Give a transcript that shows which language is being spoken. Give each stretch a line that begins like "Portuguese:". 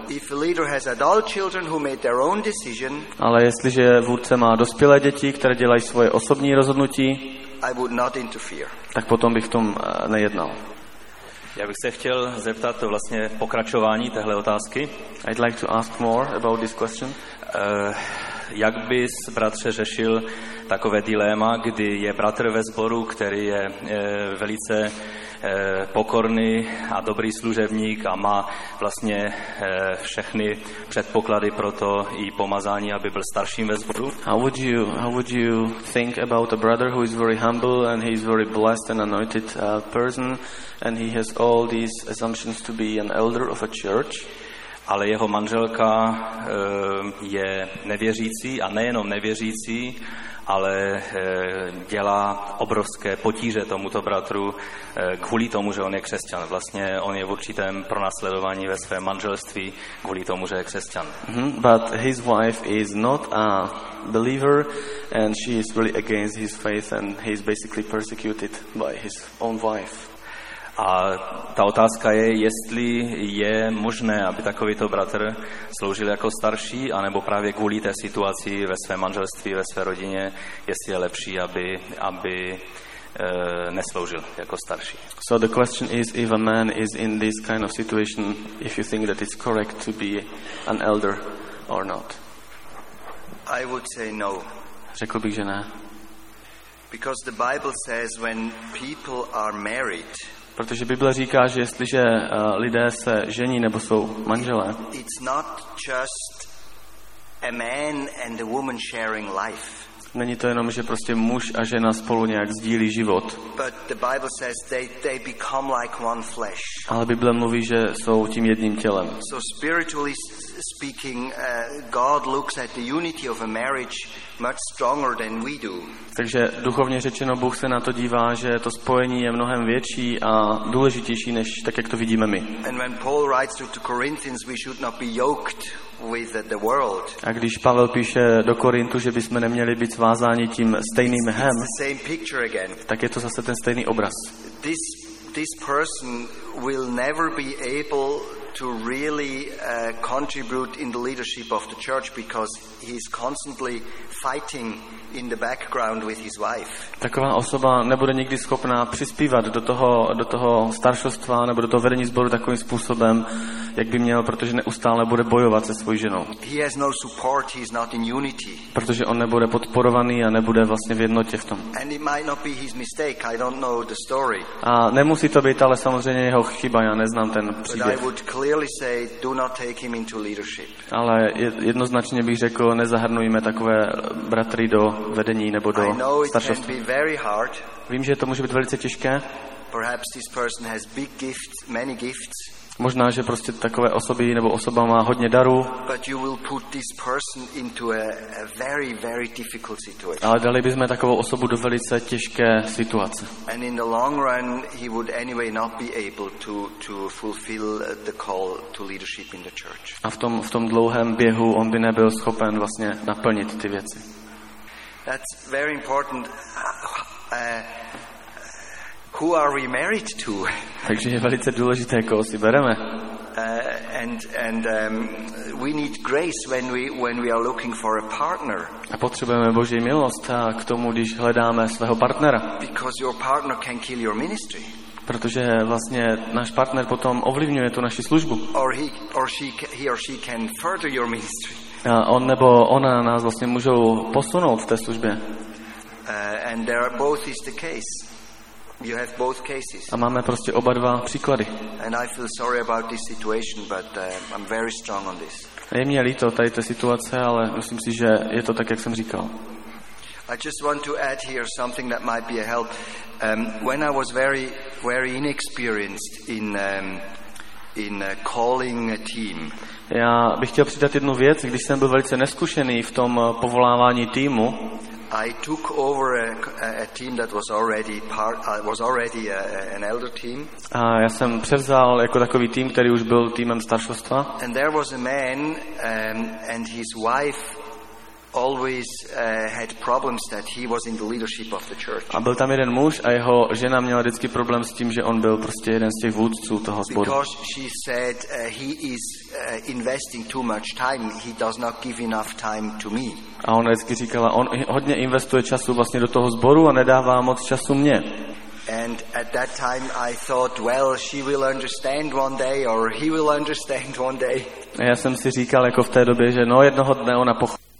English: If a leader has adult children who made their own decision,
Czech: ale jestliže vůdce má dospělé děti, které dělají svoje osobní rozhodnutí,
English: I would not interfere.
Czech: Tak potom bych v tom nejednal. Já bych se chtěl zeptat to vlastně pokračování téhle otázky.
English: I'd like to ask more about this question.
Czech: Jak bys, bratře, řešil takové dilema, kdy je bratr ve sboru, který je velice pokorný a dobrý služebník a má vlastně všechny předpoklady pro to i pomazání, aby byl starším ve sboru?
English: How would you think about a brother who is very humble and he is very blessed and anointed person and he has all these assumptions to be an elder of a church?
Czech: Ale jeho manželka je nevěřící a nejenom nevěřící, ale dělá obrovské potíže tomuto bratru kvůli tomu, že on je křesťan. Vlastně on je v určitém pronásledování ve svém manželství kvůli tomu, že je křesťan. Mm-hmm.
English: But his wife is not a believer and she is really against his faith and he is basically persecuted by his own wife.
Czech: A ta otázka je, jestli je možné, aby takovýto bratr sloužil jako starší, anebo právě kvůli té situaci ve své manželství, ve své rodině, jestli je lepší, aby nesloužil jako starší.
English: So the question is, if a man is in this kind of situation, if you think that it's correct to be an elder or not? I would say no.
Czech: Řekl bych, že ne.
English: Because the Bible says, when people are married,
Czech: protože Bible říká, že jestliže lidé se žení nebo jsou manželé,
English: it's not just a man and a woman sharing life.
Czech: Není to jenom, že prostě muž a žena spolu nějak sdílí život.
English: But the Bible says they become like one flesh.
Czech: Ale Bible mluví, že jsou tím jedním tělem.
English: So spiritually speaking, God looks at the unity of a marriage much stronger than we do.
Czech: Takže duchovně řečeno, Bůh se na to dívá, že to spojení je mnohem větší a důležitější než tak, jak to vidíme my.
English: And when Paul writes to Corinthians, we should not be yoked with the world.
Czech: A když Pavel píše do Korintu, že bychom neměli být svázáni tím stejným hem, tak je to zase ten stejný obraz.
English: This person will never be able to really contribute in the leadership of the church because he's constantly fighting in the background with his wife.
Czech: Taková osoba nebude nikdy schopná přispívat do toho staršostva nebo do toho vedení sboru takovým způsobem, jak by měl, protože neustále bude bojovat se svou ženou.
English: He has no support, he's not in unity.
Czech: Protože on nebude podporovaný a nebude vlastně v jednotě v tom.
English: And it might not be his mistake, I don't know the story.
Czech: A nemusí to být, ale samozřejmě jeho chyba, já neznám ten příběh.
English: Clearly say, do not take him into leadership.
Czech: Ale jednoznačně bych řekl, nezahrnujme takové bratry do vedení nebo do staršostva.
English: Hard.
Czech: Vím, že to může být velice těžké.
English: Perhaps this person has big gifts, many gifts.
Czech: Možná, že prostě takové osoby nebo osoba má hodně darů.
English: But you will put this person into a very, very difficult situation.
Czech: Ale dali bychom takovou osobu do velice těžké situace.
English: And in the long run, he would anyway not be able to fulfill the call to leadership in the church.
Czech: A v tom dlouhém běhu on by nebyl schopen vlastně naplnit ty věci.
English: That's very important. Who are we married to?
Czech: Takže je velice důležité, koho si bereme.
English: we need grace when we are looking for a partner.
Czech: A potřebujeme Boží milost k tomu, když hledáme svého partnera.
English: Because your partner can kill your ministry.
Czech: Protože vlastně náš partner potom ovlivňuje tu naši službu.
English: Or he or she can further your ministry.
Czech: A on nebo ona nás vlastně můžou posunout v té službě.
English: And there are both is the case. You have both cases.
Czech: A máme prostě oba dva příklady.
English: And I feel sorry about this situation, but I'm very strong on this.
Czech: Je mi líto tady té situace, ale myslím si, že je to tak, jak jsem říkal.
English: I just want to add here something that might be a help. When I was very, very inexperienced in calling a team.
Czech: Já bych chtěl přidat jednu věc, když jsem byl velice neskušený v tom povolávání týmu.
English: I took over a team that was already part, was already an elder team.
Czech: A já jsem převzal jako takový tým, který už byl týmem staršostva.
English: And there was a man and his wife always had problems that he was in the leadership of the church.
Czech: A byl tam jeden muž a jeho žena měla vždycky problém s tím, že on byl prostě jeden z těch vůdců toho sboru.
English: Because she said he is investing too much time, he does not give enough time to me.
Czech: A ona vždycky říkala, on hodně investuje času vlastně do toho sboru a nedává moc času mně.
English: And at that time I thought, well, she will understand one day or he will understand one day.
Czech: A já jsem si říkal jako v té době, že no jednoho dne ona pochopí.